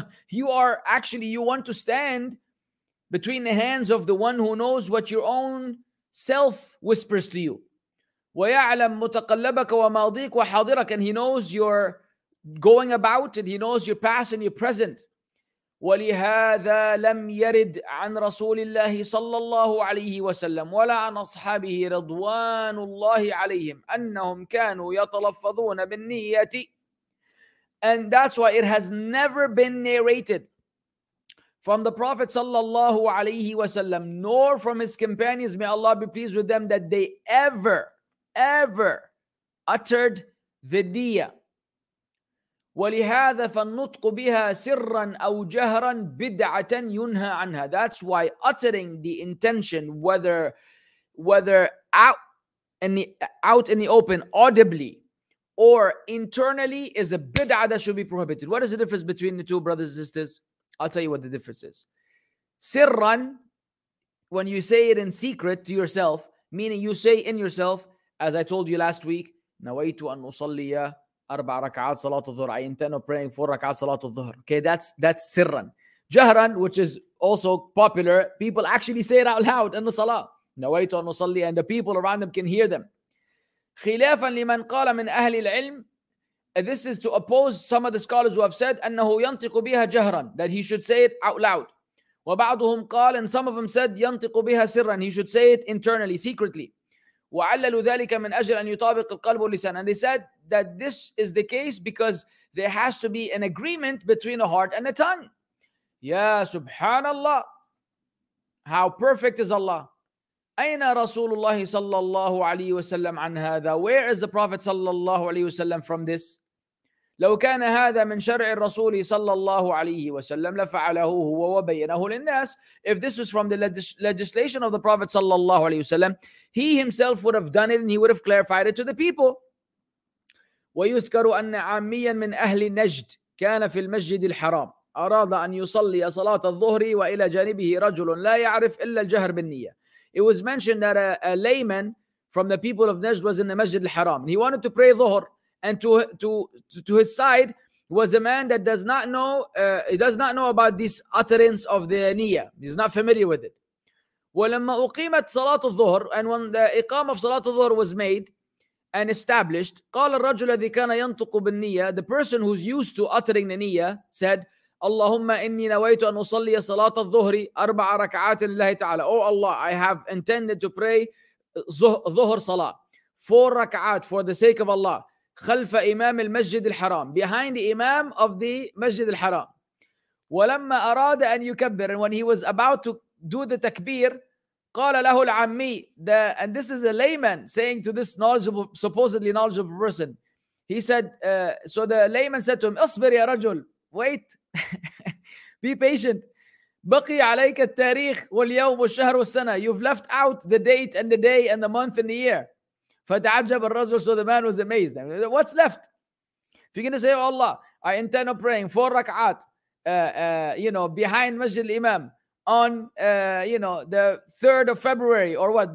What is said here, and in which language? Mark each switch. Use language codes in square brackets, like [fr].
[en] You want to stand between the hands of the one who knows what your own self whispers to you. [ar] وَيَعْلَمْ مُتَقَلَّبَكَ وَمَاضِيكَ وَحَاضِرَكَ. [en] And he knows your going about and he knows your past and your present. [ar] ولهذا لم يرد عن رسول الله صلى الله عليه وسلم ولا عن أصحابه رضوان الله عليهم أنهم كانوا يتلفظون بالنية. [en] And that's why it has never been narrated from the Prophet صلى الله عليه وسلم nor from his companions, may Allah be pleased with them, that they ever uttered the niyyah. [ar] وَلِهَذَا فَالنُّطْقُ بِهَا سِرًّا أَوْ جَهْرًا بِدْعَةً يُنْهَى عَنْهَا. [en] That's why uttering the intention, whether out in the open, audibly, or internally, is a bid'ah that should be prohibited. What is the difference between the two, brothers and sisters? I'll tell you what the difference is. سِرًّا, when you say it in secret to yourself, meaning you say in yourself, as I told you last week, [ar] نَوَيْتُ أَنْ أُصَلِّيَا أربع ركعات صلاة الظهر. [en] I intend on praying 4 ركعات صلاة الظهر. Okay, that's سرًا. جهرًا, which is also popular, people actually say it out loud in the صلاة. [ar] نويت أن أصلي, [en] and the people around them can hear them. [ar] خلافًا لمن قال من أهل العلم. [en] This is to oppose some of the scholars who have said [ar] أنه ينطق بها جهرًا, [en] that he should say it out loud. [ar] وبعضهم قال, [en] and some of them said [ar] ينطق بها سرًا, [en] he should say it internally, secretly. [ar] وعلّلوا ذلك من أجل أن يطابق القلب واللسان. [en] And they said that this is the case because there has to be an agreement between the heart and the tongue. Ya subhanallah. How perfect is Allah? [ar] Aina Rasulullah sallallahu alayhi wa sallam an hadha? [en] Where is the Prophet sallallahu alayhi wa sallam from this? [ar] لو كان هذا من شرع الرسول صلى الله عليه وسلم لفعله هو وبينه للناس. [en] If this was from the legislation of the Prophet صلى الله عليه وسلم, he himself would have done it and he would have clarified it to the people. [ar] ويذكر أن عاميا من أهل نجد كان في المسجد الحرام أراد أن يصلي صلاة الظهر وإلى جانبه رجل لا يعرف إلا الجهر بالنية. [en] It was mentioned that a layman from the people of Najd was in the Masjid al-Haram. He wanted to pray Dhuhr. And to his side was a man that does not know about this utterance of the niyyah. He's not familiar with it. [ar] ولما أقيمت صلاة الظهر, [en] and when the إقامة of صلاة الظهر was made and established, [ar] قال الرجل الذي كان ينطق بالنية, [en] the person who's used to uttering the niyyah said, [ar] اللهم إني نويت أن أصلي صلاة الظهر أربع ركعات لله تعالى. [en] Oh Allah, I have intended to pray ظهر صلاة, 4 ركعات for the sake of Allah. [ar] خلف إمام المسجد الحرام, [en] behind the Imam of the Masjid al-Haram. [ar] ولما أراد أن يكبر, [en] and when he was about to do the takbir, [ar] قال له العمي, [en] and this is a layman saying to this knowledgeable, supposedly knowledgeable person, he said, so the layman said to him, [ar] اصبر يا رجل, [en] wait, be patient. [ar] بقي عليك التاريخ واليوم والشهر والسنة. [en] You've left out the date and the day and the month and the year. [ar] فتعجب الرجل, [en] so the man was amazed. What's left? If you're going to say, oh Allah, I intend on praying 4 rak'at, behind Masjid al-Imam, on, you know, the 3rd of February or what?